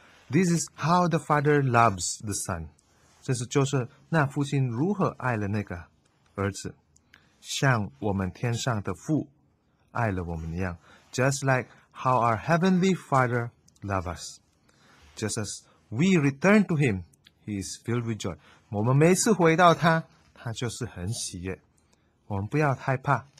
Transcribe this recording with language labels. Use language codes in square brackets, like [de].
[en] This is how the father loves the son. [zh] 这是就是那父亲如何爱了那个儿子。像我们天上的父爱了我们一样。 [en] Just like how our heavenly father loves us. Just as we return to him, he is filled with joy. [zh] 我们每次回到他他就是很喜悦，我们不要害怕。